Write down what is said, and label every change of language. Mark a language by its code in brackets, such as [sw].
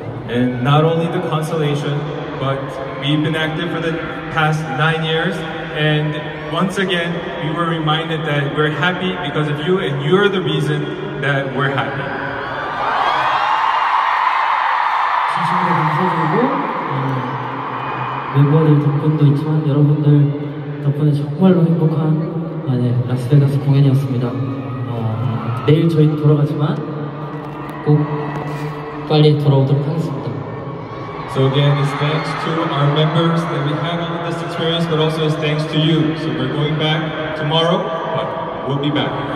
[en] And not only the consolation, but we've been active for the past 9 years and once again, we were reminded that we're happy because of you, and you're the reason that we're happy. [ko] 진심으로 감사드리고 멤버들 덕분도 있지만 여러분들 덕분에 정말로 행복한 라스베가스 공연이었습니다. 내일 저희는 돌아가지만 꼭 빨리 돌아오도록 하겠습니다. [en] So again, it's thanks to our members that we had all of this experience, but also it's thanks to you. So we're going back tomorrow, but we'll be back.